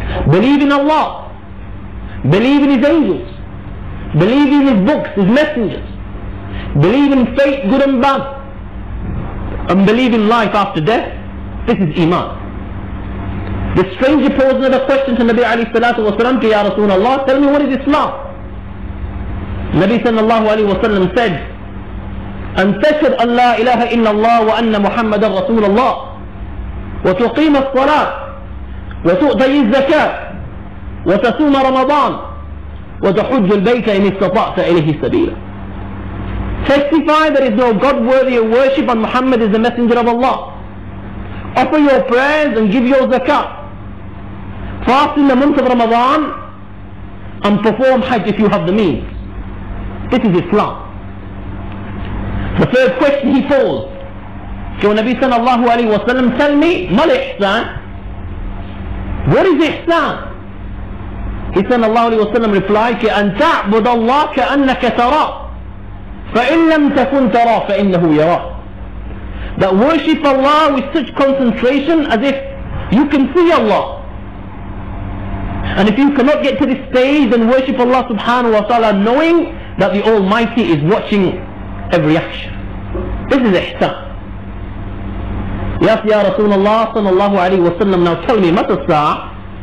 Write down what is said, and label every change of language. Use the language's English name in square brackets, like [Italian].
[English] Believe in Allah, believe in His angels, believe in His books, His messengers, believe in fate, good and bad, and believe in life after death. This is iman. The stranger posed another question to Nabi alayhi salatu wa sallam, to Ya Rasulullah, tell me, what is Islam? [Arabic] Nabi sallallahu alayhi wa sallam [English] said, [Arabic] أن تشهد أن لا إله إلا الله وأن محمد رسول الله وتقيم الصلاة وتؤتي الزكاة وتصوم رمضان وتحج البيت إن استطعت إليه سبيلا. [English] Testify there is no God worthy of worship and Muhammad is the messenger of Allah. Offer your prayers and give your zakat. Fast in the month of Ramadan and perform Hajj if you have the means. This is Islam. The third question he posed to Nabi sallallahu alayhi wa sallam, tell me, [Arabic] mal ihsan? [English] What is ihsan? He sallallahu alayhi wa sallam replied, [Arabic] أن تعبد الله كأنك ترى فإن لم تكن ترى فإنه يرى. [English] That worship Allah with such concentration as if you can see Allah. And if you cannot get to this stage, then worship Allah subhanahu wa ta'ala knowing that the Almighty is watching every action. This is ihsan. Yes, Ya Rasulullah sallallahu alayhi wa sallam, now tell me, [Arabic] mata sa'a?